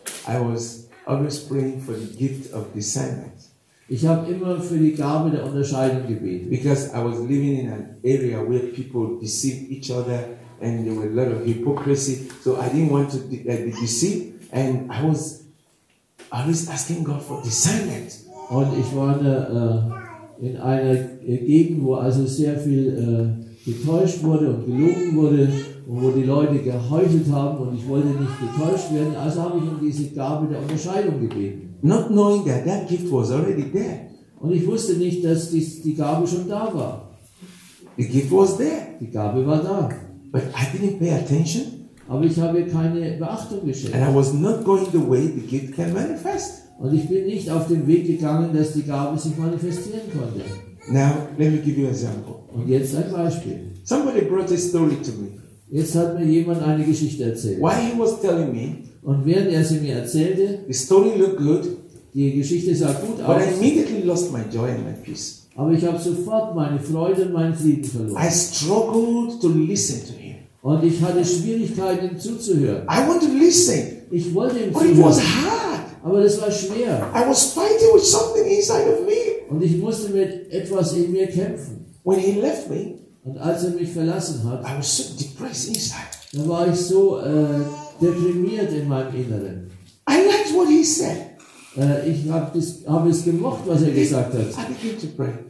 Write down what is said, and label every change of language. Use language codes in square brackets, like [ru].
[en] I was always praying for the gift of discernment. [de] Ich habe immer für die Gabe der Unterscheidung gebetet. [en] Because I was living in an area where people deceive each other. And there were a lot of hypocrisy, so I didn't want to be deceived. And I was always asking God for discernment. [de] Und ich war in einer Gegend, wo also sehr viel getäuscht wurde und gelogen wurde, und wo die Leute geheuchelt haben, und ich wollte nicht getäuscht werden. Also habe ich um diese Gabe der Unterscheidung gebeten. [en] Not knowing that that gift was already there. [de] Und ich wusste nicht, dass die Gabe schon da war. [en] The gift was there. [de] Die Gabe war da. [en] But I didn't pay attention. [de] Aber ich habe keine Beachtung geschenkt. [en] And I was not going the way the gift can manifest. [de] Und ich bin nicht auf dem Weg gegangen, dass die Gabe sich manifestieren konnte. [en] Now, let me give you an example. [de] Und jetzt ein Beispiel. [en] Somebody brought a story to me. [de] Jetzt hat mir jemand eine Geschichte erzählt. [en] Why he was telling me? [de] Und während er sie mir erzählte, [en] the story looked good. [de] Die Geschichte sah gut aus. [en] But I immediately lost my joy and my peace. [de] Aber ich habe sofort meine Freude und meinen Frieden verloren. [en] I struggled to listen to him. [de] Und ich hatte Schwierigkeiten, ihm zuzuhören. [en] I want to listen. [de] Ich wollte ihm [en] But [de] zuhören. [en] It was hard. [de] Aber das war schwer. [en] I was fighting with something inside of me. [de] Und ich musste mit etwas in mir kämpfen. [en] When he left me, [de] und als er mich verlassen hat, [en] I was so depressed inside. [de] Dann war ich so deprimiert in meinem Inneren. [en] I liked what he said. [de] Ich habe es gemocht, was er gesagt hat. [en] I began to pray.